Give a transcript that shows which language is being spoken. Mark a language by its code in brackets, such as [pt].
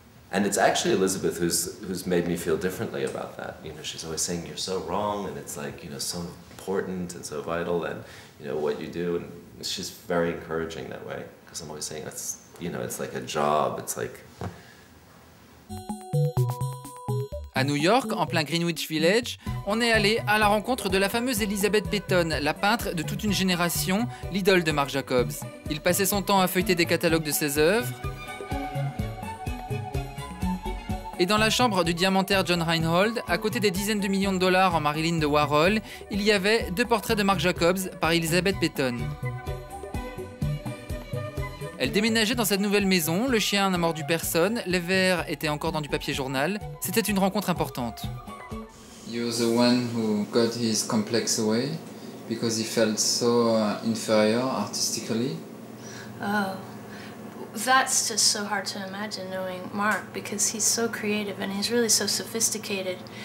[en] And it's actually Elizabeth who's made me feel differently about that. You know, she's always saying you're so wrong and it's like, you know, so important and so vital and you know what you do, and she's very encouraging that way because I'm always saying that's, you know, it's like a job, it's like. [fr] À New York, en plein Greenwich Village, on est allé à la rencontre de la fameuse Elizabeth Peyton, la peintre de toute une génération, l'idole de Marc Jacobs. Il passait son temps à feuilleter des catalogues de ses œuvres. Et dans la chambre du diamantaire John Reinhold, à côté des dizaines de millions de dollars en Marilyn de Warhol, il y avait deux portraits de Marc Jacobs par Elizabeth Peyton. Elle déménageait dans cette nouvelle maison, le chien n'a mordu personne, les verres étaient encore dans du papier journal. C'était une rencontre importante. [en] You're the one who got his complex away because he felt so inferior artistically. Oh. That's just so hard to imagine knowing Mark because he's so creative and he's really so sophisticated.